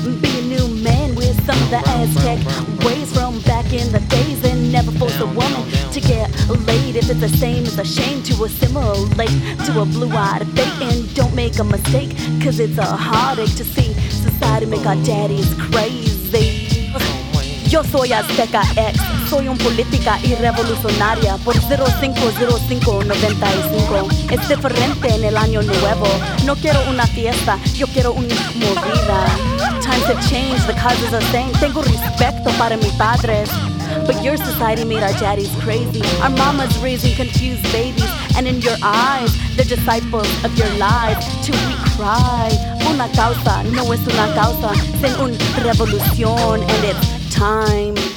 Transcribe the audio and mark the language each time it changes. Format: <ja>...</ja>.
<en>Be a new man with some of the Aztec ways from back in the days. And never force a woman to get laid. If it's the same, it's a shame to assimilate to a blue-eyed fate. And don't make a mistake, cause it's a heartache to see society make our daddies crazy.</en> <es>Yo soy Azteca X, soy un política y revolucionaria por 050595. Es diferente en el año nuevo. No quiero una fiesta, yo quiero una movida.</es> <en>Times have changed, the causes are same.</en> <es>Tengo respeto para mis padres,</es> <en>but your society made our daddies crazy. Our mamas raising confused babies, and in your eyes, they're disciples of your lies. Till we cry,</en> <es>una causa no es una causa, sin un revolución,</es> <en>and it's time.</en>